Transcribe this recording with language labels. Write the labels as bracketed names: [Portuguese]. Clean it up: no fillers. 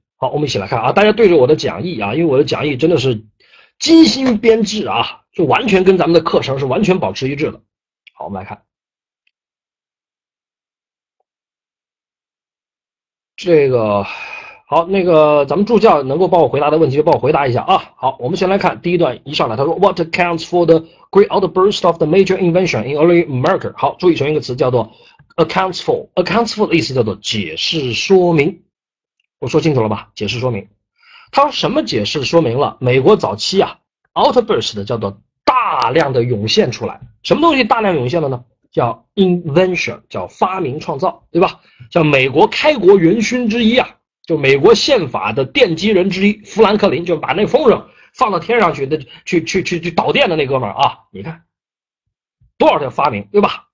[Chinese] 好，我们一起来看啊，大家对着我的讲义啊，因为我的讲义真的是精心编制啊，就完全跟咱们的课程是完全保持一致的。好，我们来看这个，好，那个咱们助教能够帮我回答的问题就帮我回答一下啊。好，我们先来看第一段，一上来他说 [English] "What accounts for the great outburst of the major invention in early America？" [Chinese] 好，注意成一个词叫做 "accounts for"，"accounts for" 的意思叫做解释说明。我说清楚了吧？解释说明，他什么解释说明了美国早期啊，outburst 的叫做大量的涌现出来，什么东西大量涌现了呢？叫 invention，叫发明创造，对吧？叫美国开国元勋之一啊，就美国宪法的奠基人之一，富兰克林，就把那风筝放到天上去的，去导电的那哥们儿啊，你看多少的发明，对吧？